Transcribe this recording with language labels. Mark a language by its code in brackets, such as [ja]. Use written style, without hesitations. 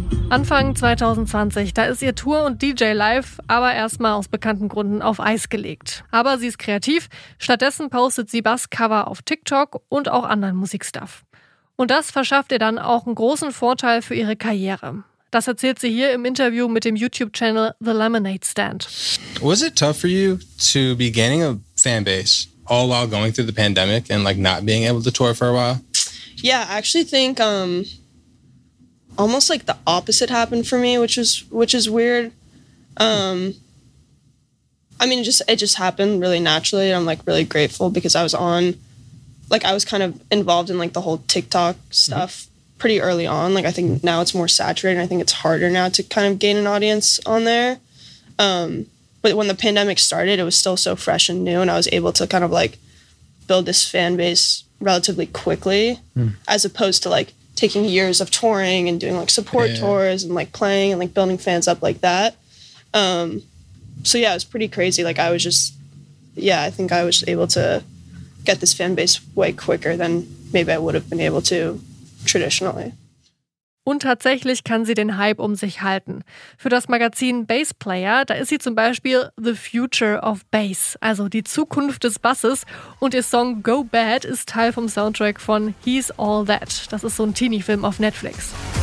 [de] Anfang 2020, da ist ihr Tour- und DJ-Live aber erstmal aus bekannten Gründen auf Eis gelegt. Aber sie ist kreativ, stattdessen postet sie Bass-Cover auf TikTok und auch anderen Musikstuff. Und das verschafft ihr dann auch einen großen Vorteil für ihre Karriere. Das erzählt sie hier im Interview mit dem YouTube-Channel The Lemonade Stand. [en] Was it tough for you to be gaining a fanbase all while going through the pandemic and like not being able to tour for a while? Yeah, I actually think almost like the opposite happened for me, which is weird. I mean, it just happened really naturally. And I'm like really grateful because I was on, like I was kind of involved in like the whole TikTok stuff pretty early on. Like I think now it's more saturated. And I think it's harder now to kind of gain an audience on there. But when the pandemic started, it was still so fresh and new, and I was able to kind of like build this fan base relatively quickly, as opposed to like taking years of touring and doing like support tours and like playing and like building fans up like that. So yeah, it was pretty crazy. Like I was just, yeah, I think I was able to get this fan base way quicker than maybe I would have been able to traditionally. [de] Und tatsächlich kann sie den Hype um sich halten. Für das Magazin Bass Player, da ist sie zum Beispiel The Future of Bass, also die Zukunft des Basses. Und ihr Song Go Bad ist Teil vom Soundtrack von He's All That. Das ist so ein Teenie-Film auf Netflix.